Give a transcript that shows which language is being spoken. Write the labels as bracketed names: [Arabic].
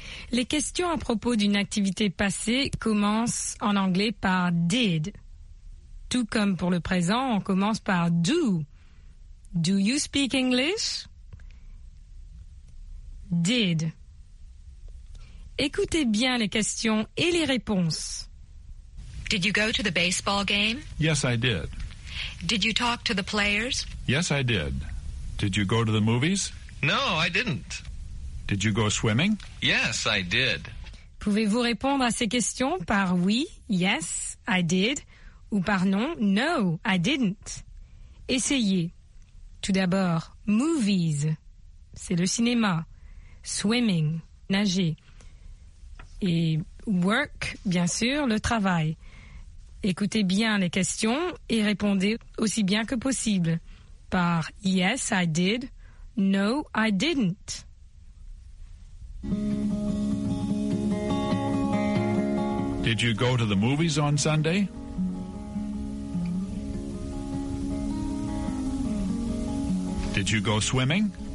[French] Les questions à propos d'une activité passée commencent en anglais par did. Tout comme pour le présent, on commence par do. [English] Do you speak English? [French] Did. Écoutez bien les questions et les réponses. [English] Did you go to the baseball game? Yes, I did. Did you talk to the players? Yes, I did. Did you go to the movies? No, I didn't. Did you go swimming? Yes, I did. [French] Pouvez-vous répondre à ces questions par oui, [English] yes, I did, [French] ou par non, [English] no, I didn't? [French] Essayez. Tout d'abord, movies, c'est le cinéma. Swimming, nager. Et work, bien sûr, le travail. Écoutez bien les questions et répondez aussi bien que possible par [English] yes, I did, no, I didn't. Did you go to the movies on Sunday? Did you go swimming?